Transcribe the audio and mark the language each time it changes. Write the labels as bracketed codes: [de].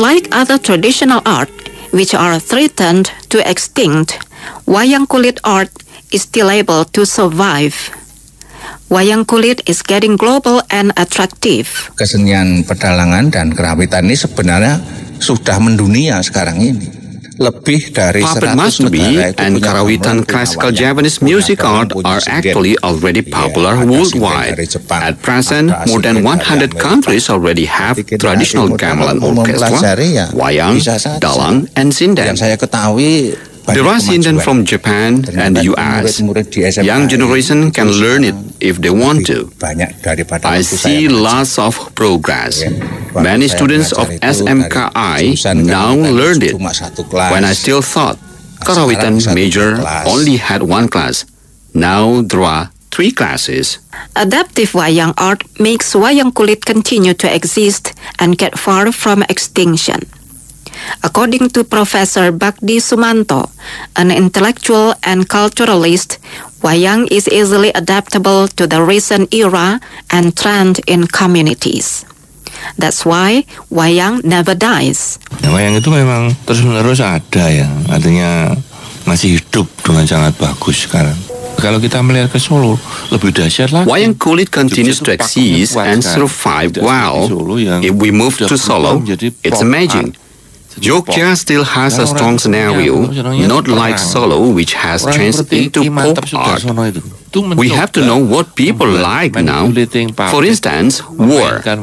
[en] Other traditional art, which are threatened to extinct, wayang kulit art is still able to survive. Wayang kulit is getting global and attractive. [id] Kesenian pedalangan dan kerawitan ini sebenarnya sudah mendunia sekarang ini. Lebih dari 100 [en] must be and Karawitan classical Javanese music art are actually already popular worldwide. At present, more than 100 countries already have traditional gamelan orchestra, wayang, dalang, and sinden. There are sinden from Japan and the US. Young generation can learn it if they want to. I see lots of progress. Many students of SMKI now learned it. When I still thought Karawitan major only had one class, now there are three classes. Adaptive wayang art makes wayang kulit continue to exist and get far from extinction. According to Professor Bakdi Sumanto, an intellectual and culturalist, wayang is easily adaptable to the recent era and trend in communities. That's why wayang never dies. [id] Nah, wayang itu memang terus-menerus ada ya, artinya masih hidup dengan sangat bagus sekarang. Kalau kita melihat ke Solo, lebih dahsyat lagi. [en] Wayang kulit continues to exist and survive well. If we move to Solo, it's amazing. Jogja still has a strong scenario, not like Solo, which has changed into pop art. We have to know what people like now. For instance, war.